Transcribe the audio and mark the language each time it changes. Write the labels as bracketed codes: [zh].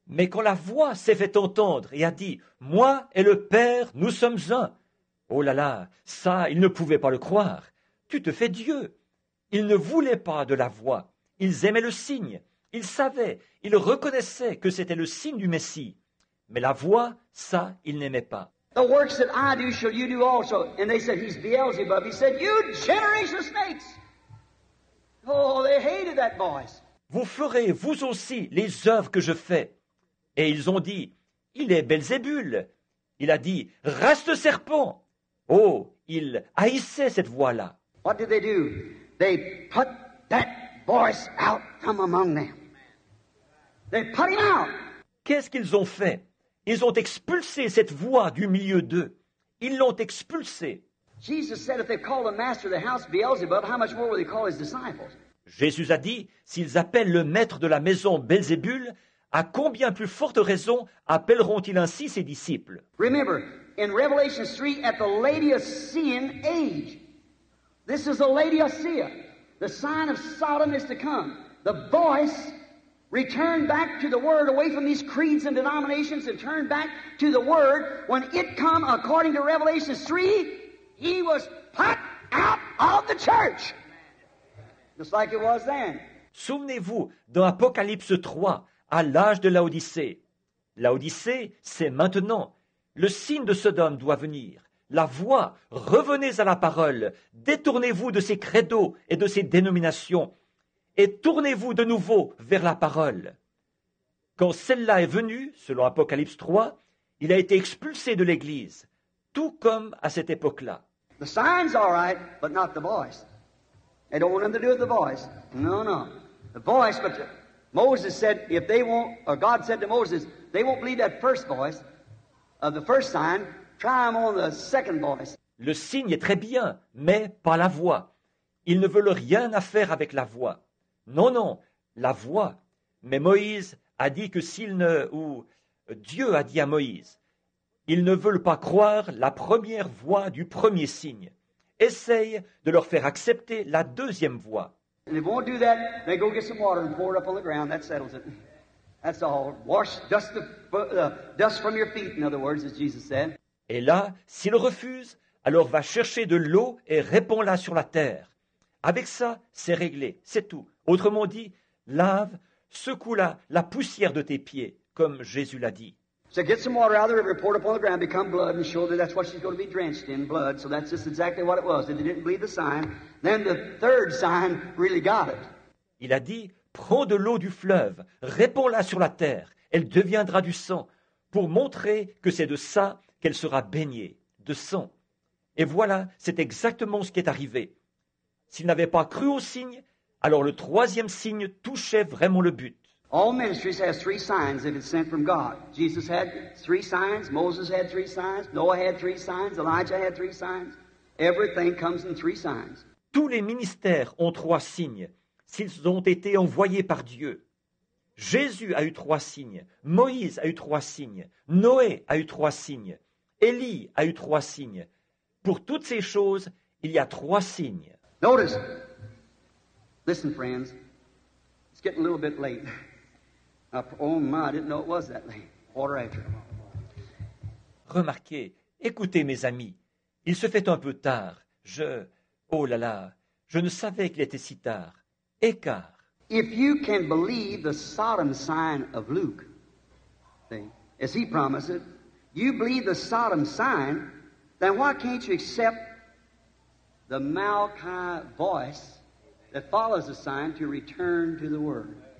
[fr] Mais quand la voix s'est fait entendre et a dit « Moi et le Père, nous sommes un !» Oh là là, ça, ils ne pouvaient pas le croire. Tu te fais Dieu. Ils ne voulaient pas de la voix. Ils aimaient le signe. Ils savaient, ils reconnaissaient que c'était le signe du Messie. Mais la voix, ça, ils n'aimaient pas. [en] The works that I do shall you do also. And they said, he's Beelzebub. He said, you generation of snakes. Oh, they hated that voice. [fr] Vous ferez, vous aussi, les œuvres que je fais. Et ils ont dit, il est Belzébule. Il a dit, reste serpent. Oh, ils haïssaient cette voix-là. [en] What did they do? They put that voice out from among them. They put him out. [fr] Qu'est-ce qu'ils ont fait? Ils ont expulsé cette voix du milieu d'eux. Ils l'ont expulsé. [en] Jesus said if they call the master of the house Beelzebub, how much more will they call his disciples? [fr] Jésus a dit, s'ils appellent le maître de la maison Belzébul, à combien plus forte raison appelleront-ils ainsi ses disciples? [en] Remember, in Revelation 3, at the Laodicean age, this is the Laodicea, the sign of Sodom is to come. The voice return back to the Word, away from these creeds and denominations, and turn back to the Word. When it come, according to Revelation 3, he was put out of the church. Just like it was then. [fr] Souvenez-vous, dans Apocalypse 3, à l'âge de Laodicée. Laodicée, c'est maintenant. Le signe de Sodome doit venir. La voix, revenez à la parole. Détournez-vous de ces credos et de ces dénominations. Et tournez-vous de nouveau vers la parole. Quand celle-là est venue, selon Apocalypse 3, il a été expulsé de l'Église, tout comme à cette époque-là. [en] The signs are right, but not the voice. They don't want nothing to do with the voice. No, no. The voice, but Moses said, if they won't, or God said to Moses, they won't believe that first voice of the first sign, try them on the second voice. [fr] Le signe est très bien, mais pas la voix. Ils ne veulent rien à faire avec la voix. Non, non, la voix. Mais Moïse a dit que s'il ne... ou Dieu a dit à Moïse, ils ne veulent pas croire la première voix du premier signe. Essaye de leur faire accepter la deuxième voix. [en] And if they won't do that, they go get some water and pour it up on the ground. That settles it. That's all. Wash dust, dust from your feet, in other words, as Jesus said. [fr] Et là, s'ils refusent, alors va chercher de l'eau et répands-la sur la terre. Avec ça, c'est réglé, c'est tout. Autrement dit, lave, secoue la poussière de tes pieds, comme Jésus l'a dit. [en] So get some water out of the river, pour it upon the ground, become blood, and show that that's what she's going to be drenched in, blood. So that's just exactly what it was. If they didn't believe the sign, then the third sign really got it. [fr] Il a dit, prends de l'eau du fleuve, répands-la sur la terre, elle deviendra du sang, pour montrer que c'est de ça qu'elle sera baignée, de sang. Et voilà, c'est exactement ce qui est arrivé. S'ils n'avaient pas cru au signe, alors le troisième signe touchait vraiment le but. [en] All ministries have three signs if it's sent from God. Jesus had three signs, Moses had three signs, Noah had three signs, Elijah had three signs. Everything comes in three signs. [fr] Tous les ministères ont trois signes s'ils ont été envoyés par Dieu. Jésus a eu trois signes, Moïse a eu trois signes, Noé a eu trois signes, Élie a eu trois signes. Pour toutes ces choses, il y a trois signes. [en] Notice, listen, friends, it's getting a little bit late. Oh my, I didn't know it was that late. Quarter after. [fr] Remarquez, écoutez, mes amis, il se fait un peu tard. Oh là là, je ne savais qu'il était si tard. Écart. [en] If you can believe the Sodom sign of Luke, see, as he promised it, you believe the Sodom sign, then why can't you accept the Malachi voice that follows the sign to return to the Word.